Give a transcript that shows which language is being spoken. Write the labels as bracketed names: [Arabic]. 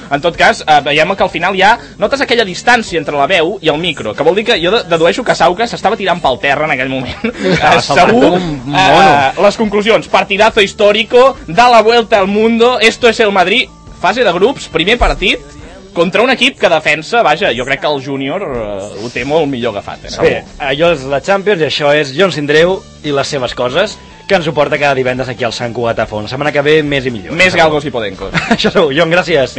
[Catalan] En tot cas, veiem que al final ja notes aquella distància entre la veu i el micro, que vol dir que jo dedueixo que Sauca s'estava tirant pel terra en aquell moment. Segur, les conclusions. [Spanish] Partidazo histórico, da la vuelta al mundo, esto es el Madrid, [Catalan] fase de grups, primer partit... Contra un equip que defensa, vaja, jo crec que el Júnior ho té molt millor agafat. Eh? Bé, allò és la Champions i això és John Sindreu i les seves coses, que ens ho porta cada divendres aquí al Sant Cugat a fons. La setmana que ve, més i millor. Més galgos i podencos. Això segur. John, gràcies.